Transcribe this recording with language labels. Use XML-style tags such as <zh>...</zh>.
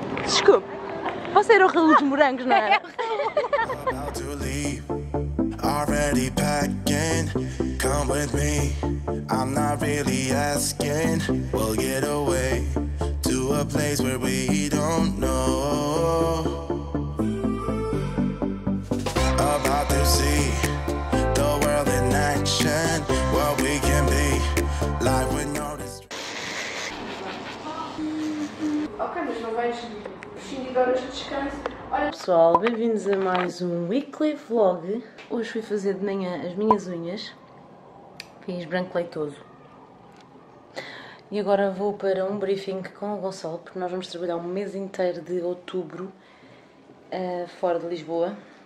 <pt>Desculpe, você era o Raul dos Morangos, não era?</pt> <en>Already packing, come with me. I'm not really asking. We'll get away to a place where we don't know. About to see the world in action. What we can be, life with no distress.</en> <pt>Ok, mas não vais prescindir horas de descanso. Pessoal, bem-vindos a mais um weekly vlog. Hoje fui fazer de manhã as minhas unhas. Fiz branco leitoso. E agora vou para um briefing com o Gonçalo, porque nós vamos trabalhar um mês inteiro de outubro fora de Lisboa.</pt>